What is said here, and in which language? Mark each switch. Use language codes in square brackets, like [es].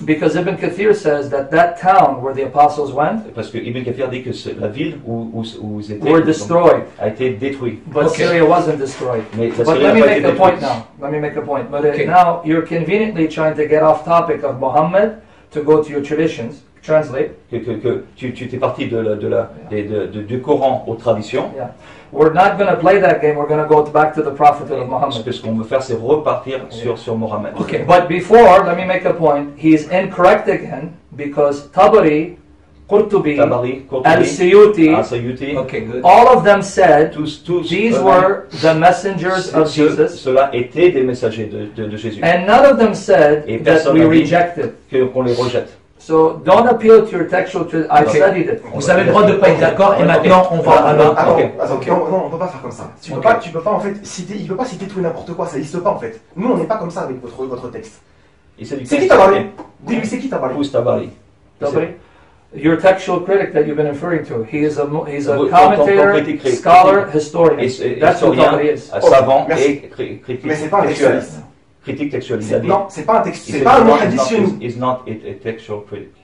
[en] Because Ibn Kathir says that that town where the apostles went, [fr] parce que Ibn Kathir dit que la ville où ils étaient, [en] were destroyed. [fr] A été détruit. [en] But okay. Syria wasn't destroyed. [fr] Mais [en] but let me make [fr] détruit. [en] A point now. Let me make a point. But okay. Now you're conveniently trying to get off topic of Muhammad to go to your traditions. Translate. [fr] Que tu t'es parti du Coran aux traditions. [en] Yeah. We're not going to play that game. We're going to go back to the prophet of Muhammad. [fr] Ce qu'on veut faire, c'est repartir sur Muhammad. [en] Okay. But before, let me make a point. He is incorrect again because Tabari, Qurtubi, Al-Suyuti, okay, all of them said these were the messengers of Jesus. [fr] Cela était des messagers de Jésus. [en] And none of them said that we rejected. [fr] Que qu'on les rejette. [en] So don't appeal to your textual truth. I studied it. [fr] Vous avez le droit de ne pas être d'accord et maintenant on va à l'autre. Non, on ne peut pas faire comme ça. Il ne peut pas citer tout et n'importe quoi, ça n'existe pas en fait. Nous, on n'est pas comme ça avec votre texte. C'est qui Tabari? Dis-lui, c'est qui Tabari? Où est Tabari? [en] Your textual critic that you've been referring to, he's a commentator, scholar, historian. That's what Tabari is. [fr] Savant et critique. Mais ce n'est pas un textualiste. Critique textualiste. Non, c'est pas un texte. C'est pas un nom addition. [en] Is not a textual critic.